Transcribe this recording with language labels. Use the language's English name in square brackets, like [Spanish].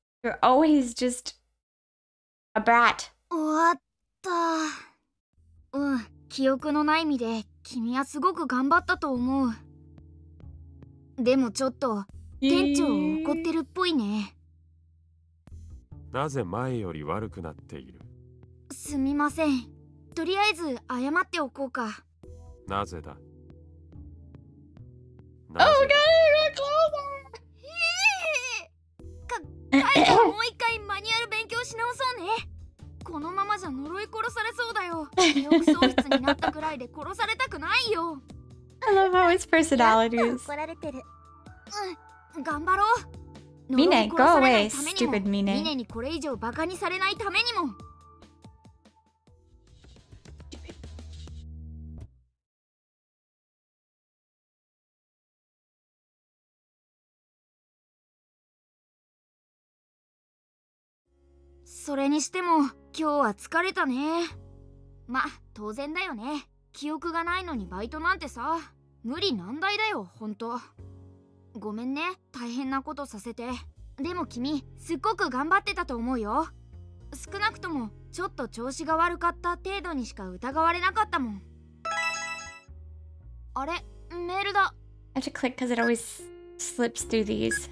[English] You're always just a brat. [Japanese] 終わった。うん、記憶のない身で君はすごく頑張ったと思う。でもちょっと店長を怒ってるっぽいね。なぜ前より悪くなっている？すみません。とりあえず謝っておこうか。なぜだ？ [English] Oh, God, you're closer! [Japanese] もう一回マニュアル勉強し直そうね。このままじゃ呪い殺されそうだよ。記憶喪失になったくらいで殺されたくないよ。 [English] I love his personalities. [Japanese] やっと怒られてる。うん、頑張ろう。 [English] ミネ、go away, stupid ミネ。 [Japanese] ミネにこれ以上バカにされないためにも。それにしても、今日は疲れたね。ま、当然だよね。記憶がないのにバイトなんてさ、無理難題だよ、本当。ごめんね、大変なことさせて。でも君、すっごく頑張ってたと思うよ。少なくとも、ちょっと調子が悪かった程度にしか疑われなかったもん。あれ、メールだ。 [English] I have to click because it always slips through these.